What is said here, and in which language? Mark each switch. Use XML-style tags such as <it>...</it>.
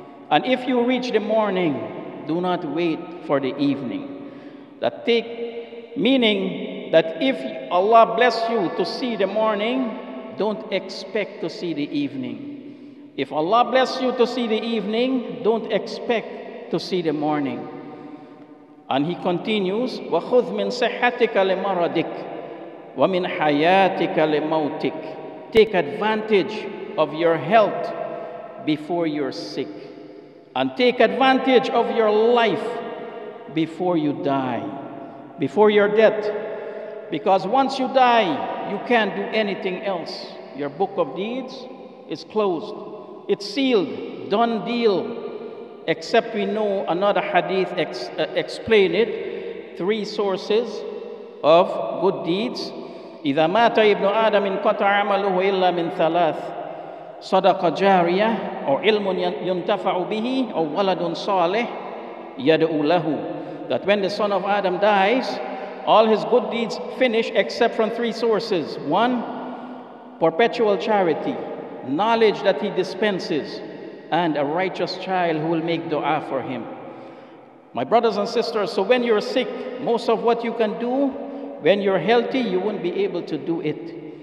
<en>And if you reach the morning, do not wait for the evening. That take meaning that if Allah bless you to see the morning, don't expect to see the evening. If Allah bless you to see the evening, don't expect to see the morning. And he continues,</en> <ar>وَخُذْ مِنْ صِحَّتِكَ لِمَرَضِكَ وَمِنْ حَيَاتِكَ لِمَوْتِكَ.</ar> <en>Take advantage of your health before you're sick. And take advantage of your life before you die, before your death. Because once you die, you can't do anything else. Your book of deeds is closed. It's sealed, done deal. Except we know another hadith explain it. Three sources of good deeds.</en> <ar>إِذَا مَاتَ إِبْنُ آدَمٍ قَطَ عَمَلُهُ إِلَّا مِنْ ثَلَاثٍ صدقة جارية أو علم ينتفع به أو ولد صالح يدعو له.</ar> <en>That when the son of Adam dies, all his good deeds finish except from three sources. One, perpetual charity, knowledge that he dispenses, and a righteous child who will make dua for him. My brothers and sisters, so when you're sick, most of what you can do, when you're healthy, you won't be able to do it.</en>